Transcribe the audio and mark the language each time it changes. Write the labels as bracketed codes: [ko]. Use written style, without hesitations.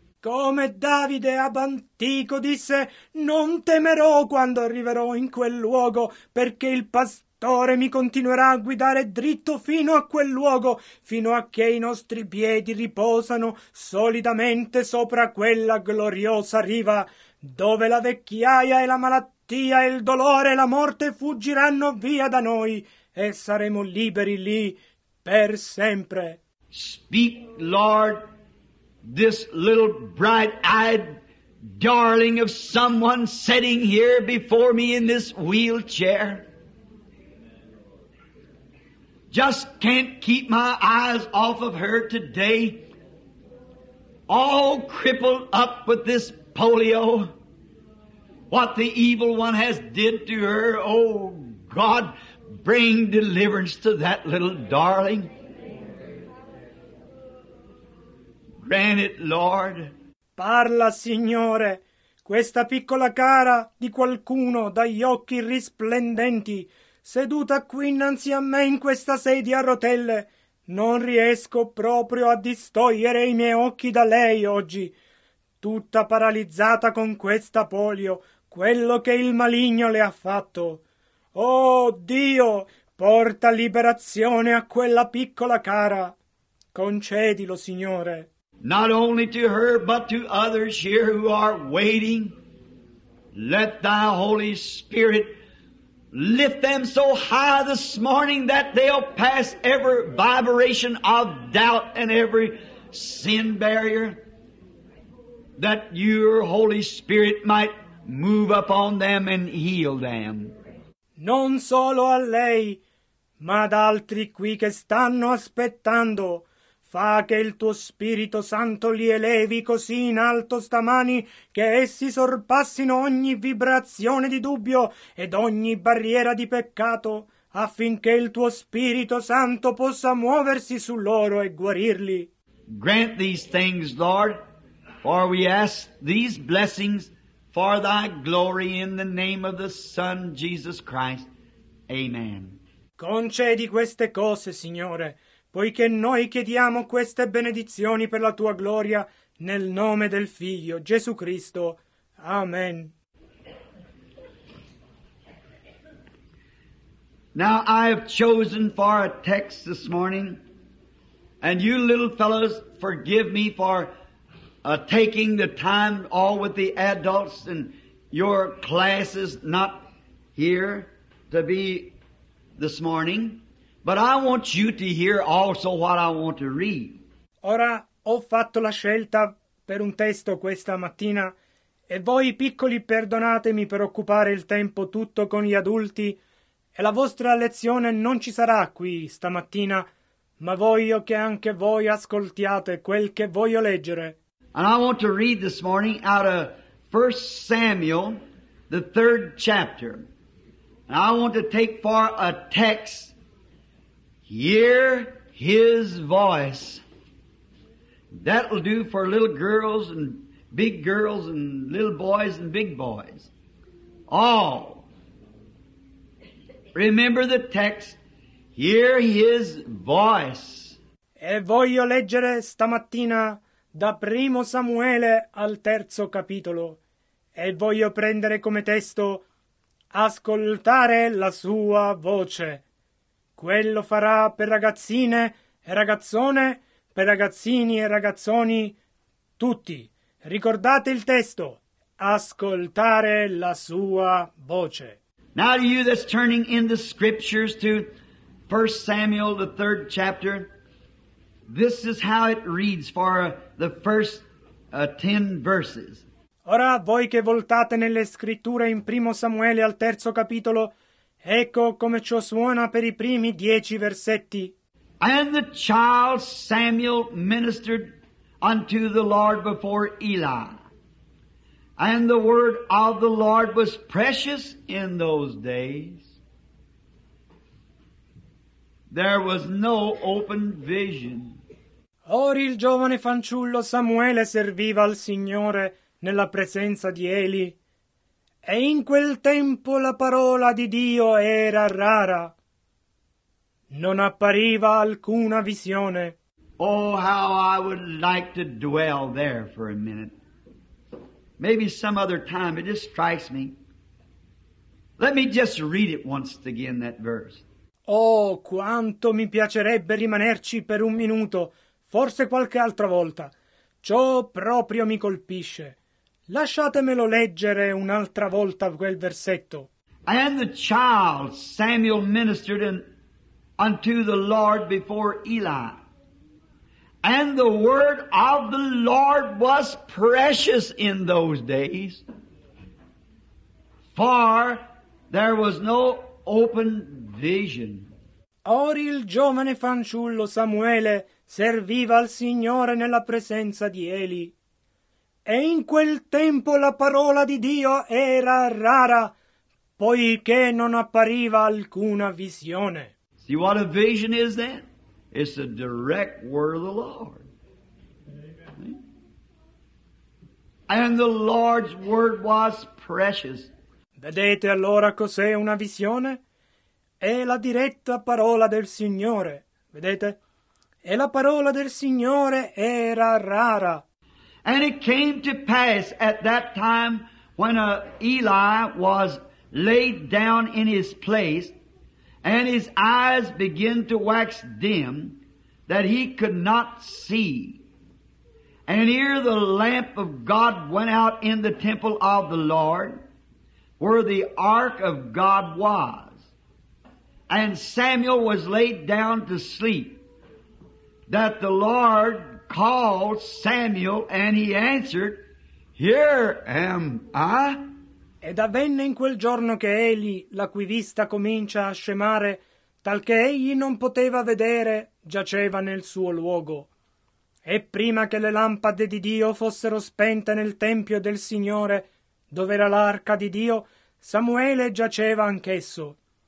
[it] Come Davide ab antico disse, non temerò quando arriverò in quel luogo, perché il pastore mi continuerà a guidare dritto fino a quel luogo, fino a che i nostri piedi riposano solidamente sopra quella gloriosa riva, dove la vecchiaia e la malattia e il dolore e la morte fuggiranno via da noi, e saremo liberi lì per sempre. [en] Speak, Lord. This little bright-eyed darling of someone sitting here before me in this wheelchair. Just can't keep my eyes off of her today. All crippled up with this polio. What the evil one has did to her. Oh, God, bring deliverance to that little darling. Grant it, Lord. [it] Parla, Signore, questa piccola cara di qualcuno dagli occhi risplendenti, seduta qui innanzi a me in questa sedia a rotelle. Non riesco proprio a distogliere i miei occhi da lei oggi. Tutta paralizzata con questa polio, quello che il maligno le ha fatto. Oh, Dio, porta liberazione a quella piccola cara. Concedilo, Signore. [en] Not only to her, but to others here who are waiting. Let thy Holy Spirit lift them so high this morning that they'll pass every vibration of doubt and every sin barrier, that your Holy Spirit might move upon them and heal them. [it] Non solo a lei, ma ad altri qui che stanno aspettando. Fa che il tuo Spirito Santo li elevi così in alto stamani che essi sorpassino ogni vibrazione di dubbio ed ogni barriera di peccato, affinché il tuo Spirito Santo possa muoversi su loro e guarirli. [en] Grant these things, Lord, for we ask these blessings for thy glory in the name of the Son, Jesus Christ. Amen. [it] Concedi queste cose, Signore, poiché noi chiediamo queste benedizioni per la tua gloria, nel nome del Figlio, Gesù Cristo. Amen. [en] Now I have chosen for a text this morning, and you little fellows forgive me for taking the time all with the adults and your classes not here to be this morning. But I want you to hear also what I want to read. [it] Ora ho fatto la scelta per un testo questa mattina, e voi piccoli perdonatemi per occupare il tempo tutto con gli adulti, e la vostra lezione non ci sarà qui stamattina, ma voglio che anche voi ascoltiate quel che voglio leggere. [en] And I want to read this morning out of 1 Samuel, the third chapter. And I want to take for a text, hear his voice. That'll do for little girls and big girls and little boys and big boys. All. Remember the text, hear his voice. [it] E voglio leggere stamattina da Primo Samuele al terzo capitolo. E voglio prendere come testo, ascoltare la sua voce. Quello farà per ragazzine e ragazzone, per ragazzini e ragazzoni, tutti. Ricordate il testo, ascoltare la sua voce. [en] Now to you that's turning in the scriptures to 1 Samuel, the third chapter, This is how it reads for the first 10 verses. [it] Ora voi che voltate nelle scritture in primo Samuele al terzo capitolo, ecco come ciò suona per i primi 10 versetti. [en] And the child Samuel ministered unto the Lord before Eli. And the word of the Lord was precious in those days. There was no open vision. [it] Ora il giovane fanciullo Samuele serviva al Signore nella presenza di Eli. E in quel tempo la parola di Dio era rara. Non appariva alcuna visione. [en] Oh, how I would like to dwell there for a minute. Maybe some other time, it just strikes me. Let me just read it once again, that verse. [it] Oh, quanto mi piacerebbe rimanerci per un minuto, forse qualche altra volta. Ciò proprio mi colpisce. Lasciatemelo leggere un'altra volta quel versetto. [en] And the child Samuel ministered unto the Lord before Eli. And the word of the Lord was precious in those days, for there was no open vision. [it] Ora il giovane fanciullo Samuele serviva al Signore nella presenza di Eli. E in quel tempo la parola di Dio era rara, poiché non appariva alcuna visione. [en] See what a vision is then? It's a direct word of the Lord. Amen. And the Lord's word was precious. [it] Vedete allora cos'è una visione? È la diretta parola del Signore. Vedete? E la parola del Signore era rara. [en] And it came to pass at that time when Eli was laid down in his place, and his eyes began to wax dim, that he could not see. And here the lamp of God went out in the temple of the Lord, where the ark of God was. And Samuel was laid down to sleep, that the Lord called Samuel, and he answered, Here am I. [it] Ed avvenne in quel giorno che egli, la cui vista comincia a scemare, talché egli non poteva vedere, giaceva nel suo luogo. E prima che le lampade di Dio fossero spente nel tempio del Signore, dove era l'arca di Dio, Samuele giaceva anch'esso.